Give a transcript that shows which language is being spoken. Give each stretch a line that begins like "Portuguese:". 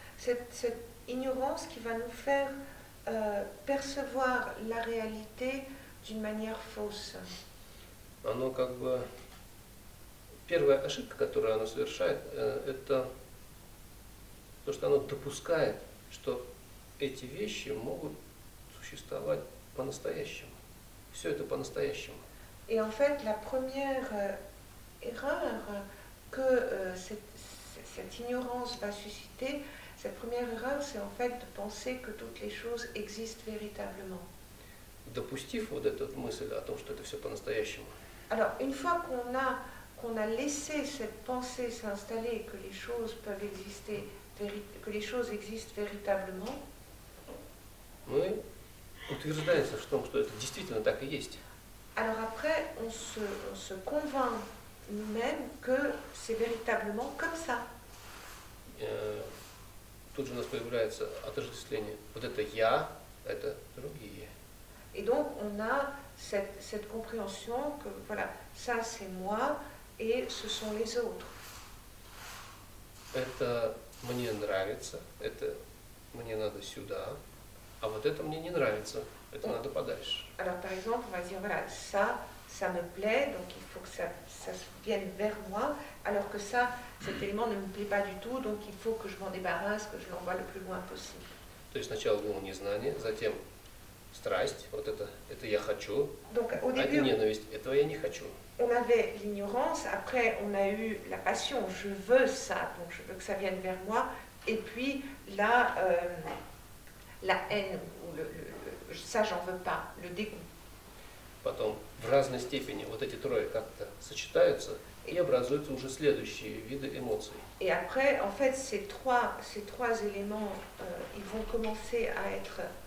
French: Cette ignorance qui va nous faire percevoir la réalité d'une manière fausse.
Russian: Оно как бы первая ошибка, которую оно совершает, это то, что оно допускает, что эти вещи могут существовать по-настоящему. Все это по-настоящему.
French: Et en fait, la première erreur que cette ignorance va susciter, cette première erreur, c'est en fait de penser que toutes les choses existent véritablement.
Russian: Допустив вот эту мысль о том, что это все по-настоящему.
French: Alors, une fois qu'on a laissé cette pensée s'installer, que les choses peuvent exister, que les choses existent véritablement,
Russian: мы утверждаемся в том, что это действительно так и есть.
French: Alors après, on se convainc nous-mêmes que c'est véritablement comme ça.
Russian: Тут же у нас появляется отождествление. Вот это я, это другие.
French: Et donc on a cette compréhension que voilà, ça c'est moi et ce sont les autres.
Russian: Это мне нравится, это мне надо сюда, а вот это мне не нравится, это надо подальше.
French: Alors par exemple, on va dire voilà, ça me plaît, donc il faut que ça vienne vers moi, alors que ça, cet élément ne me plaît pas du tout, donc il faut que je m'en débarrasse, que je l'envoie le plus loin possible.
Russian: То есть сначала было незнание, затем страсть, вот это я хочу,
French: donc, au début,
Russian: а это ненависть, этого я не хочу.
French: On avait l'ignorance, après on a eu la passion, je veux ça, donc je veux que ça vienne vers moi, et puis là, la haine, ou le ça j'en veux pas, le dégoût.
Russian: Потом в разной степени вот эти трое как-то сочетаются и образуются уже следующие виды эмоций.
French: Et après, en fait, ces trois éléments, ils vont commencer à être